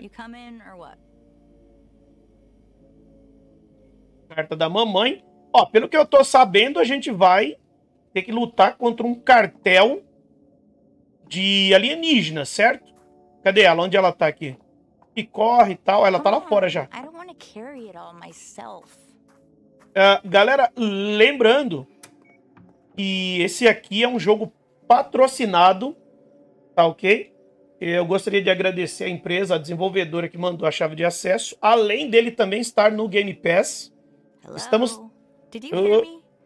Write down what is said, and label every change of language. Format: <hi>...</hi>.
<en>You come in or what?</en> <pt>Carta da mamãe. Ó, pelo que eu tô sabendo, a gente vai ter que lutar contra um cartel de alienígenas, certo? Cadê ela? Onde ela tá aqui? E corre e tal. Ela tá lá fora já.</pt> <en>I don't want to carry it all myself.</en> <pt>Galera, lembrando que esse aqui é um jogo patrocinado, tá ok? Eu gostaria de agradecer a empresa, a desenvolvedora que mandou a chave de acesso, além dele também estar no Game Pass.</pt> <en>Hello?</en> <pt>Estamos...</pt> <en>Did you hear me?</en>